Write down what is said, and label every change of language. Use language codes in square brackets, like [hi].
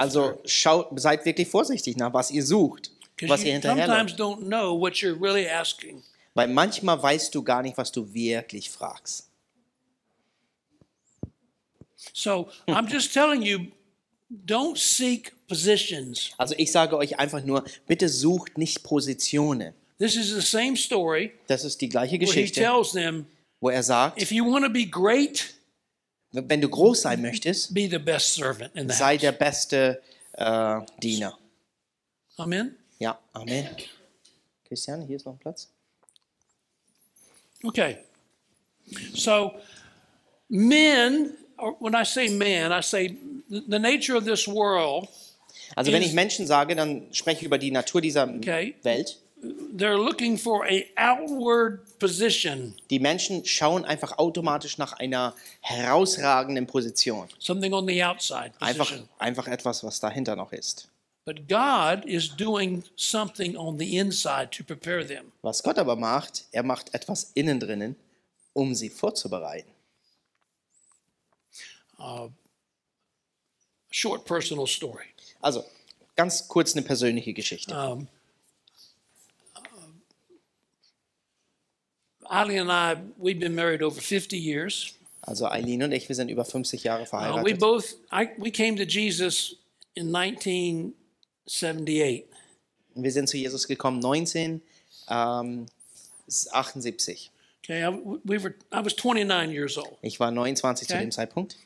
[de] Also schaut, seid wirklich vorsichtig nach, was ihr sucht, was ihr hinterherläuft. [en] Sometimes don't know what you're really asking. [de] Weil manchmal weißt du gar nicht, was du wirklich fragst. [en] So I'm just telling you, don't seek positions. [de] Also ich sage euch einfach nur, bitte sucht nicht Positionen. [en] This is the same story. [de] Das ist die gleiche Geschichte. [en] Where he tells them, [de] wo er sagt, [en] if you want to be great, [de] wenn du groß sein möchtest, [en] be the best servant in the [de] sei [en] house. [de] Der beste Diener. [en] Amen. [de] Ja, amen. Christian, hier ist noch ein Platz. [en] Okay. So men, or when I say man, I say the nature of this world. [de] Also [en] is, [de] wenn ich Menschen sage, dann spreche ich über die Natur dieser [en] okay. [de] Welt. [en] They're looking for a outward position. [de] Die Menschen schauen einfach automatisch nach einer herausragenden Position. [en] Something on the outside. Position. [de] Einfach etwas, was dahinter noch ist. [en] But God is doing something on the inside to prepare them. [de] Was Gott aber macht, er macht etwas innen drinnen, um sie vorzubereiten. [en] Short personal story. [de] Also, ganz kurz eine persönliche Geschichte. [en] Eileen and I, we've been married over 50 years. [de] Also Eileen und ich, wir sind über 50 Jahre verheiratet. [en] We came to Jesus in 19 78. [de] Wir sind zu Jesus gekommen 1978. [en] Okay, I was 29 years old. [de] Ich war 29 okay. Zu dem Zeitpunkt.